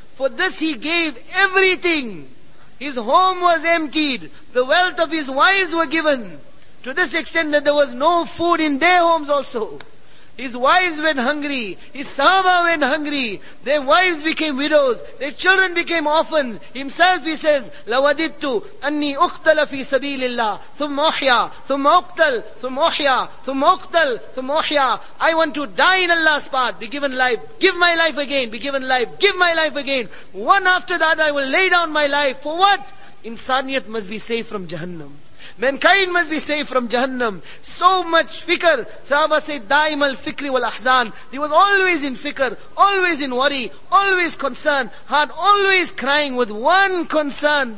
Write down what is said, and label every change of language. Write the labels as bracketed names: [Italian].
[English] For this he gave everything. His home was emptied. The wealth of his wives were given. To this extent that there was no food in their homes also. His wives went hungry. His sahaba went hungry. Their wives became widows. Their children became orphans. Himself he says, [Arabic] لَوَدِدْتُ أَنِّي أُقْتَلَ فِي سَبِيلِ اللَّهِ ثُمْ أُحْيَا ثُمْ أُقْتَلْ ثُمْ أُحْيَا ثُمْ أُقْتَلْ ثُمْ أُحْيَا. [English] I want to die in Allah's path. Be given life. Give my life again. Be given life. Give my life again. One after that I will lay down my life. For what? Insaniyat must be saved from Jahannam. Mankind must be saved from Jahannam. So much fikr. Sahaba said, [Arabic] Daim al fikri wal ahzan. [English] He was always in fikr, always in worry, always concerned, heart always crying with one concern.